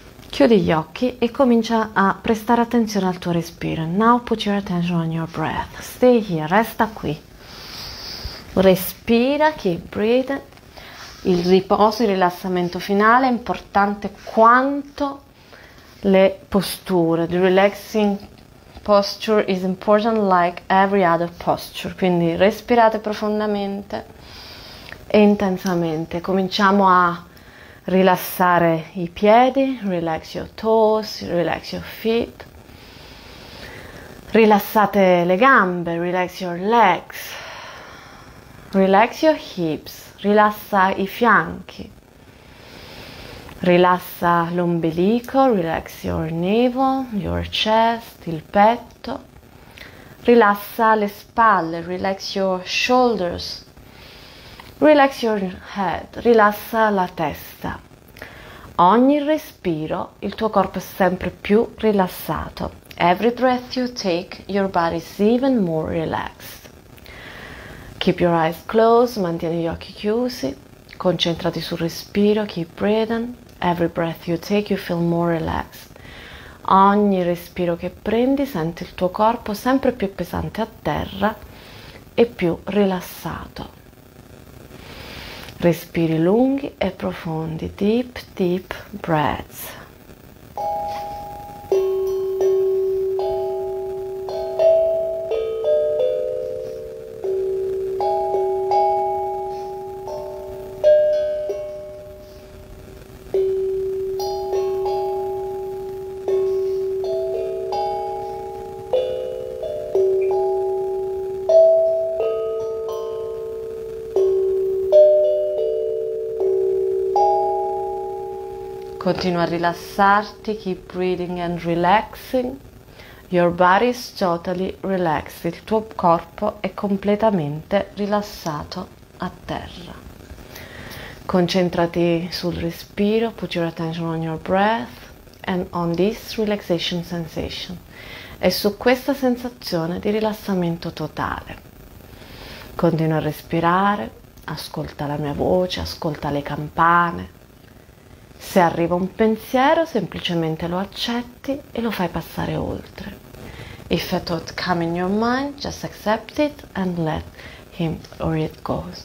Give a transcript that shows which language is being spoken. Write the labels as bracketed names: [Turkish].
[Italian] Chiudi gli occhi e comincia a prestare attenzione al tuo respiro. [English] Now put your attention on your breath. Stay here, [Italian] resta qui. Respira, [English] keep breathing. [Italian] Il riposo, il rilassamento finale è importante quanto le posture. [English] The relaxing posture is important like every other posture. [Italian] Quindi respirate profondamente e intensamente. Cominciamo a rilassare i piedi, [English] relax your toes, relax your feet. [Italian] Rilassate le gambe, [English] relax your legs. Relax your hips, [Italian] rilassa i fianchi. Rilassa l'ombelico, [English] relax your navel, your chest, [Italian] il petto. Rilassa le spalle, [English] relax your shoulders, relax your head, [Italian] rilassa la testa. Ogni respiro il tuo corpo è sempre più rilassato. [English] Every breath you take, your body is even more relaxed. Keep your eyes closed, [Italian] mantieni gli occhi chiusi, concentrati sul respiro, [English] keep breathing. Every breath you take, you feel more relaxed. [Italian] Ogni respiro che prendi, senti il tuo corpo sempre più pesante a terra e più rilassato. Respiri lunghi e profondi, [English] deep, deep breaths. [Italian] Continua a rilassarti, [English] keep breathing and relaxing. Your body is totally relaxed. [Italian] Il tuo corpo è completamente rilassato a terra. Concentrati sul respiro, [English] put your attention on your breath and on this relaxation sensation. [Italian] E su questa sensazione di rilassamento totale. Continua a respirare, ascolta la mia voce, ascolta le campane. Se arriva un pensiero, semplicemente lo accetti e lo fai passare oltre. [English] If a thought comes in your mind, just accept it and let him or it go.